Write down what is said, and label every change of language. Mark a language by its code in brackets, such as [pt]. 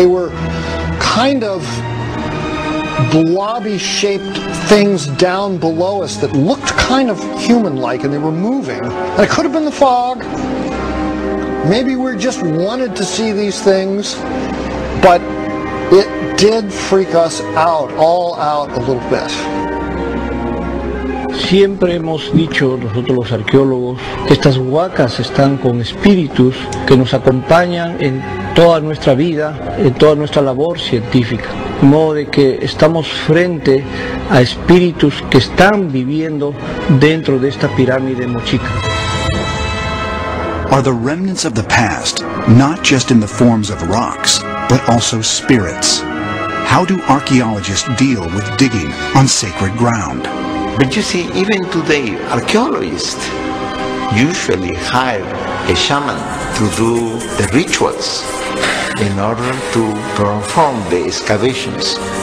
[en] They were kind of blobby shaped things down below us that looked kind of human-like, and they were moving. And it could have been the fog. Maybe we just wanted to see these things, but it did freak us out, all out a little bit. [es] Siempre hemos dicho nosotros los arqueólogos que estas huacas están con espíritus que nos acompañan en toda nuestra vida, en toda nuestra labor científica. De modo de que estamos frente a espíritus que están viviendo dentro de esta pirámide Mochica. [en] Are the remnants of the past not just in the forms of rocks, but also spirits? How do archaeologists deal with digging on sacred ground? But you see, even today, archaeologists usually hire a shaman to do the rituals in order to perform the excavations.